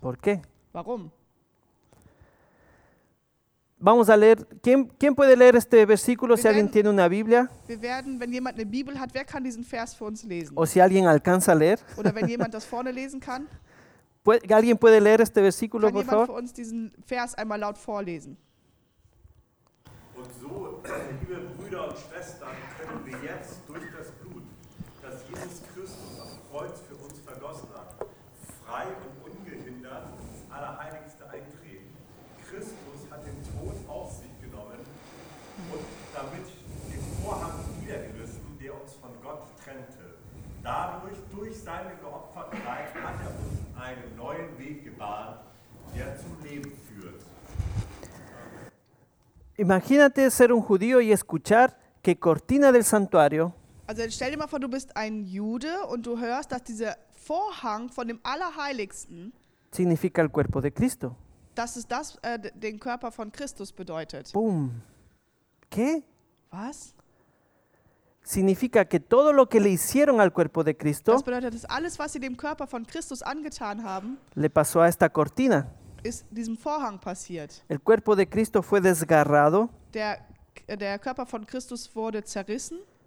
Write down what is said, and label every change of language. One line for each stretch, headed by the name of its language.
Spanish: ¿Por qué?
German: Warum?
Spanish: Vamos a leer. ¿Quién puede leer este versículo, si alguien tiene una Biblia?
German: Wir werden, wenn jemand eine Bibel hat, wer kann diesen Vers für uns lesen?
Spanish: O si alguien alcanza a leer.
German: Oder wenn jemand das vorne lesen kann.
Spanish: ¿Alguien puede leer este versículo, por favor?
German: Kann jemand für uns diesen Vers einmal laut vorlesen? Und so, liebe Brüder und Schwestern, können wir jetzt durch das Jesus Christus am Kreuz für uns vergossen hat, frei und ungehindert ins Allerheiligste eintreten. Christus hat den Tod auf sich genommen und damit den Vorhang niedergerissen, der uns von Gott trennte. Dadurch, durch seine geopferte Leib, hat er uns einen neuen Weg gebahnt, der zum Leben führt.
Spanish: Imagínate ser un judío y escuchar que cortina del santuario.
German: Also stell dir mal vor, du bist ein Jude und du hörst, dass dieser Vorhang von dem Allerheiligsten
Spanish: significa el cuerpo de Cristo.
German: Dass es das den Körper von Christus bedeutet.
Spanish: Boom. ¿Qué?
German: Was?
Spanish: Significa que todo lo que le hicieron al cuerpo de Cristo.
German: Das bedeutet, dass alles, was sie dem Körper von Christus angetan haben,
Spanish: le pasó a esta cortina.
German: Ist diesem Vorhang passiert.
Spanish: El cuerpo de Cristo fue desgarrado.
German: Der Körper von Christus wurde zerrissen.